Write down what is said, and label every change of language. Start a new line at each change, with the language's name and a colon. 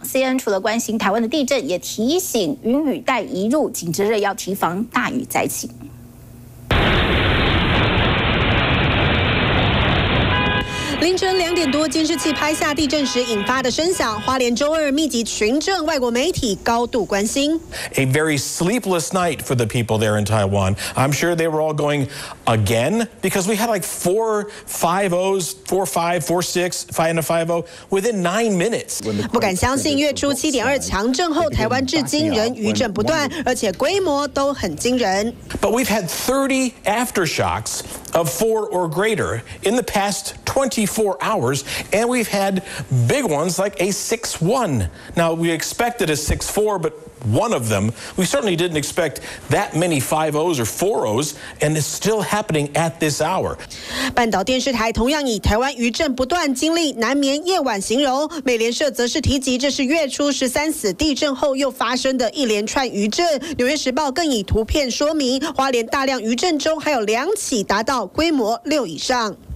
Chinese: CNN 除了关心台湾的地震，也提醒云雨带移入，紧接着要提防大雨灾情。凌晨2点多，监视器拍下地震时引发的声响。花莲周二密集群震，外国媒体高度关心。
English: A very sleepless night for the people there in Taiwan. I'm sure they were all going again because we had like 4, 5, 0, 4, 5, 4, 6, 5 and a 5 0 within 9 minutes.
Chinese: 不敢相信，月初7.2强震后，台湾至今仍余震不断，而且规模都很惊人。
English: But we've had 30 aftershocks of 4 or greater in the past 24 hours, and we've had big ones like a 6.1. Now we expected a 6.4, but one of them, we certainly didn't expect that many 5.0s or 4.0s, and it's still happening at this hour.
Chinese: 半岛电视台同样以台湾余震不断、经历难眠夜晚形容，美联社则是提及这是月初13死地震后又发生的一连串余震。纽约时报更以图片说明，花莲大量余震中还有2起达到规模6以上。